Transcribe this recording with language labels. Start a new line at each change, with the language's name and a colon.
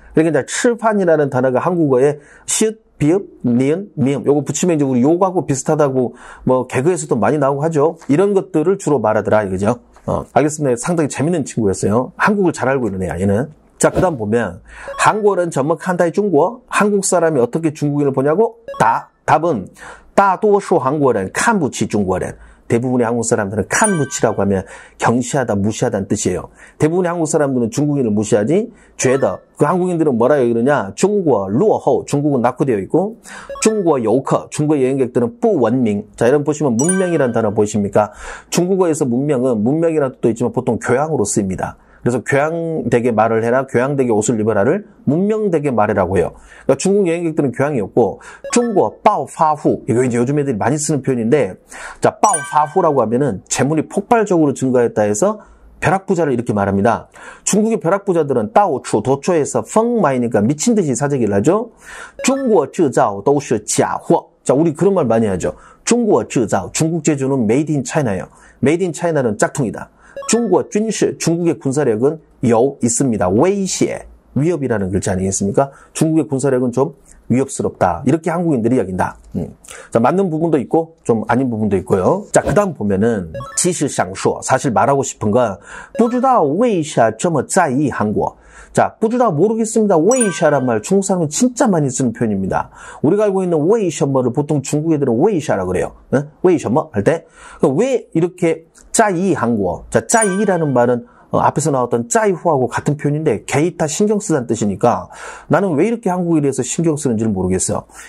Korean: 그러니까 吃饭이라는 단어가 한국어에 시읏, 비읏, 니은, 미음 요거 붙이면 이제 우리 요거하고 비슷하다고 뭐 개그에서도 많이 나오고 하죠. 이런 것들을 주로 말하더라 이거죠. 알겠습니다. 상당히 재밌는 친구였어요. 한국을 잘 알고 있는 애야 얘는. 자, 그 다음 보면 한국어는
Chinese: 怎么看待
Korean: 중국? 한국 사람이 어떻게 중국인을 보냐고?
Chinese: 답은 大多数韩国人看不起中国人.
Korean: 대부분의 한국 사람들은 看不起라고 하면 경시하다, 무시하다는 뜻이에요. 대부분의 한국 사람들은 중국인을 무시하지 죄다. 그 한국인들은 뭐라고 그러냐? 중국落后, 중국은 낙후되어 있고 중국游客, 중국 여행객들은 不文明. 자, 여러분 보시면 문명이라는 단어 보이십니까? 중국어에서 문명은 문명이라는 뜻도 있지만 보통 교양으로 쓰입니다. 그래서 교양되게 말을 해라, 교양되게 옷을 입어라를 문명되게 말해라고 해요. 그러니까 중국 여행객들은 교양이 없고 중국어 爆发户, 이거 이제 요즘 애들이 많이 쓰는 표현인데 자 爆发户라고 하면은 재물이 폭발적으로 증가했다 해서 벼락부자를 이렇게 말합니다. 중국의 벼락부자들은 따오추 도초에서 펑마이니까 미친 듯이 사재기를 하죠.
Chinese: 중국어 制造都是假货.
Korean: 자 우리 그런 말 많이 하죠. 중국어 制造, 중국 제조는 메이드 인 차이나예요. 메이드 인 차이나는 짝퉁이다. 중국 군사, 중국의 군사력은 有, 있습니다. 威胁, 위협이라는 글자 아니겠습니까? 중국의 군사력은 좀 위협스럽다. 이렇게 한국인들이 여긴다. 자, 맞는 부분도 있고 좀 아닌 부분도 있고요. 자, 그다음 보면은
Chinese: 其实想说,
Korean: 사실 말하고 싶은 건
Chinese: 不知道为什么这么在意韩国.
Korean: 자, 不知道 모르겠습니다. 为什么란 말 중국 사람은 진짜 많이 쓰는 표현입니다. 우리가 알고 있는 为什么를 보통 중국 애들은 为什么라 그래요. 응? 为什么 할 때 왜 이렇게
Chinese: 在意韩国.
Korean: 자, 在意라는 말은 앞에서 나왔던 在乎하고 같은 표현인데 개의타 신경 쓰다는 뜻이니까 나는 왜 이렇게 한국에 대해서 신경 쓰는지를 모르겠어.